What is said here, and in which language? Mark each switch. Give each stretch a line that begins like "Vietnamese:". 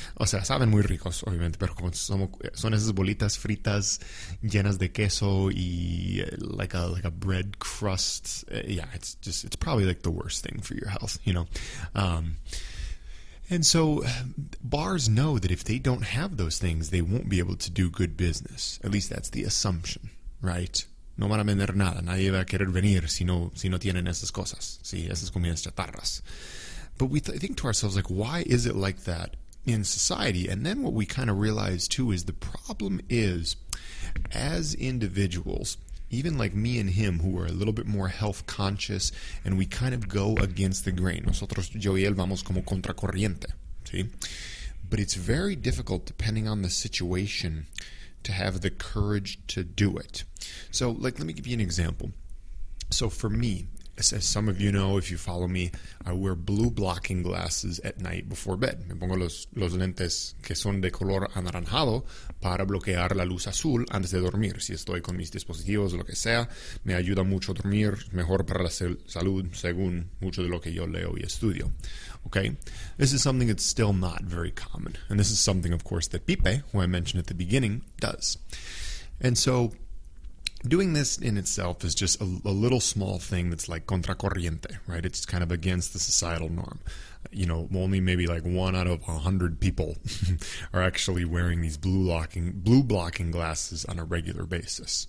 Spanish: O sea, saben muy ricos, obviamente, pero son esas bolitas fritas llenas de queso y like a bread crust.
English: Yeah, it's probably like the worst thing for your health, you know. And so bars know that if they don't have those things, they won't be able to do good business. At least that's the assumption, right? No van a vender nada.
Spanish: Nadie va a querer venir si no tienen esas cosas. Sí, esas comidas chatarras.
English: But we think to ourselves, like, why is it like that in society? And then what we kind of realize, too, is the problem is, as individuals, even like me and him, who are a little bit more health conscious, and we kind of go against the grain.
Spanish: Nosotros, yo y él, vamos como contracorriente, ¿sí?
English: But it's very difficult, depending on the situation, to have the courage to do it. So, like, let me give you an example. So, for me, as some of you know, if you follow me, I wear blue blocking glasses at night before bed.
Spanish: Me pongo los lentes que son de color anaranjado para bloquear la luz azul antes de dormir. Si estoy con mis dispositivos o lo que sea, me ayuda mucho a dormir, mejor para la salud, según mucho de lo que yo leo y estudio.
English: Okay? This is something that's still not very common. And this is something, of course, that Pipe, who I mentioned at the beginning, does. And so, doing this in itself is just a little small thing that's like contracorriente, right? It's kind of against the societal norm. You know, only maybe like 1 out of 100 people are actually wearing these blue blocking glasses on a regular basis.